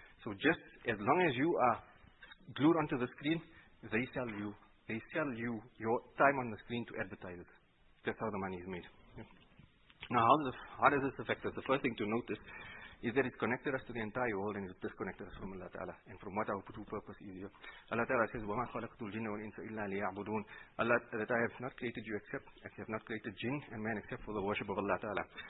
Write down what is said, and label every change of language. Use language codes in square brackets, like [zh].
[en] So just as long as you are glued onto the screen, they sell you your time on the screen to advertisers. That's how the money is made. Yeah. Now, how does this affect us? The first thing to notice is that it's connected us to the entire world and it's disconnected us from Allah Ta'ala and from what our true purpose is here. Allah Ta'ala says, [ar] وَمَا خَلَقْتُ الْجِنَّ وَالْإِنسَ إِلَّا لِيَعْبُدُونَ. [en] Allah, that I have not created you except, as you have not created jinn and man except for the worship of Allah Ta'ala.